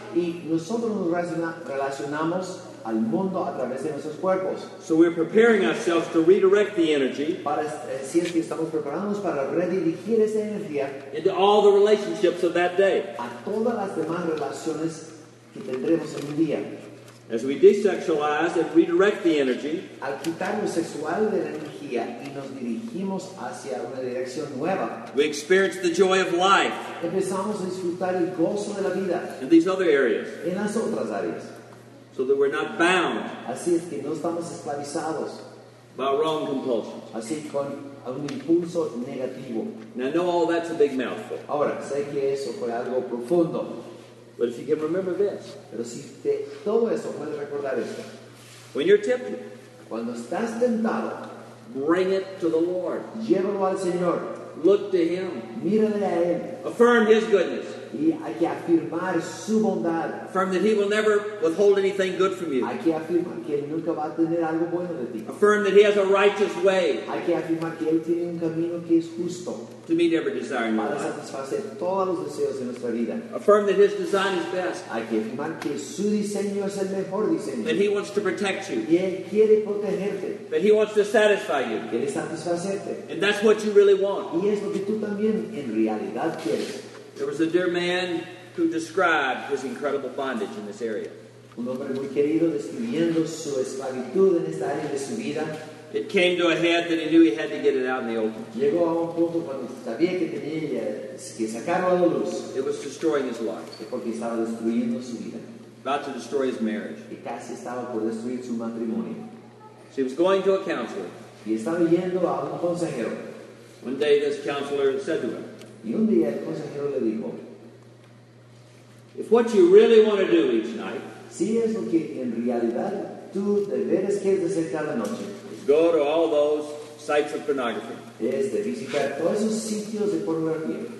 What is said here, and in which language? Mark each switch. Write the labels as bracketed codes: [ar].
[es] Y nosotros nos relacionamos al mundo a través de nuestros cuerpos. [en] So we're preparing ourselves to redirect the energy. [es] Para, si es que estamos preparándonos para redirigir esa energía. [en] Into all the relationships of that day. [es] A todas las demás relaciones que tendremos en un día. [en] As we desexualize and redirect the energy. [es] Al quitar lo sexual de la energía y nos dirigimos hacia una dirección nueva. [en] We experience the joy of life. [es] Empezamos a disfrutar el gozo de la vida. [en] In these other areas. [es] En las otras áreas. [en] So that we're not bound. [es] Así es que no estamos esclavizados. [en] By wrong compulsions. [es] Así con un impulso negativo. [en] Now I know all that's a big mouthful. [es] Ahora, sé que eso fue algo profundo. [en] But if you can remember this. [es] Pero si te, todo eso, puedes recordar esto. [en] When you're tempted. [es] Cuando estás tentado. [en] Bring it to the Lord. [es] Llévalo al Señor. [en] Look to Him. [es] Mírale a Él. [en] Affirm His goodness. [es] Y hay que afirmar su bondad. [en] Affirm that He will never withhold anything good from you. [es] Hay que afirmar que Él nunca va a tener algo bueno de ti. [en] Affirm that He has a righteous way. [es] Hay que afirmar que Él tiene un camino que es justo. [en] To meet every desire in your life. [es] Para satisfacer todos los deseos de nuestra vida. [en] Affirm that His design is best. [es] Hay que afirmar que su diseño es el mejor diseño. [en] That He wants to protect you. [es] Y Él quiere protegerte. [en] That He wants to satisfy you. [es] Quiere satisfacerte. [en] And that's what you really want. [es] Y es lo que tú también en realidad quieres. [en] There was a dear man who described his incredible bondage in this area. [es] Un hombre muy querido describiendo su esclavitud en esta área de su vida. [en] It came to a head that he knew he had to get it out in the open. [es] Llegó a un punto cuando sabía que tenía que sacarlo a la luz. [en] It was destroying his life. [es] Porque estaba destruyendo su vida. [en] About to destroy his marriage. [es] Y casi estaba por destruir su matrimonio. [en] So he was going to a counselor. [es] Y estaba yendo a un consejero. [en] One day this counselor said to him, [es] y un día el consejero le dijo, [en] if what you really want to do each night, [es] si es lo que en realidad tú deberes quieres hacer cada noche, [en] is go to all those sites of pornography. [es] Es de visitar todos esos sitios de pornografía.